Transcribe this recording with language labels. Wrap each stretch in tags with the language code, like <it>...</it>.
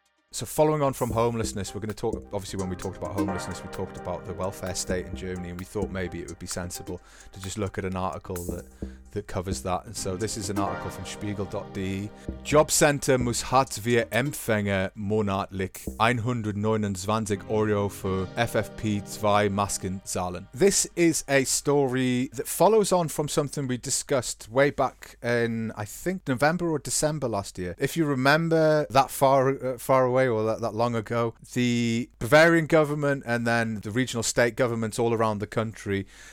<en>So following on from homelessness, we're going to talk, obviously when we talked about homelessness, we talked about the welfare state in Germany, and we thought maybe it would be sensible to just look at an article that covers that. And so this is an article from Spiegel.de.</en> <de>Jobcenter muss Hartz-IV Empfänger monatlich 129 Euro für FFP2 Masken zahlen.</de> <en>This is a story that follows on from something we discussed way back in, I think, November or December last year. If you remember that far away, or that long ago, the Bavarian government and then the regional state governments all around the country</en>